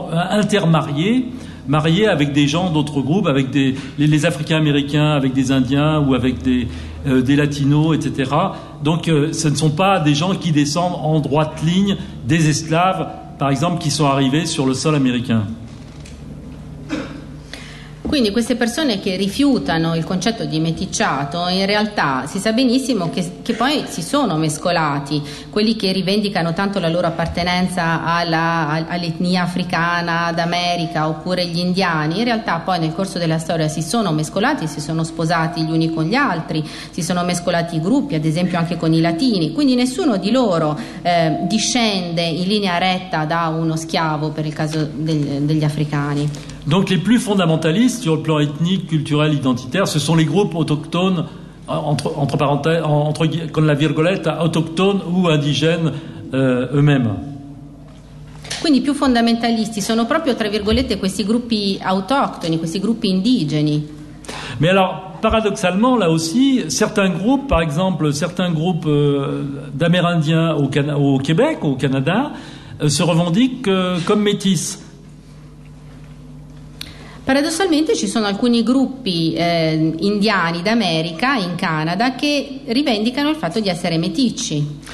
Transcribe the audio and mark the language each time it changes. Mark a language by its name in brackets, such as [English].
[French] intermariés, mariés avec des gens d'autres groupes, avec les Africains, Américains, avec des Indiens ou avec des Latinos, etc. Donc ce ne sont pas des gens qui descendent en droite ligne des esclaves, par exemple, qui sont arrivés sur le sol américain. [Italian] Quindi queste persone che rifiutano il concetto di meticciato, in realtà si sa benissimo che poi si sono mescolati quelli che rivendicano tanto la loro appartenenza all'etnia africana d'America oppure gli indiani, in realtà poi nel corso della storia si sono mescolati, si sono sposati gli uni con gli altri, si sono mescolati i gruppi, ad esempio anche con i latini, quindi nessuno di loro discende in linea retta da uno schiavo per il caso degli africani. [French] Donc les plus fondamentalistes sur le plan ethnique, culturel, identitaire, ce sont les groupes autochtones, entre parenthèses, entre [Italian] con la virgolette, [French] autochtones ou indigènes eux-mêmes. [Italian] Quindi i più fondamentalisti sono proprio, tra virgolette, questi gruppi autoctoni, questi gruppi indigeni. [French] Mais alors, paradoxalement, là aussi, certains groupes, par exemple, certains groupes d'Amérindiens au Québec, au Canada, se revendiquent comme métis. [Italian] Paradossalmente ci sono alcuni gruppi indiani d'America in Canada che rivendicano il fatto di essere meticci.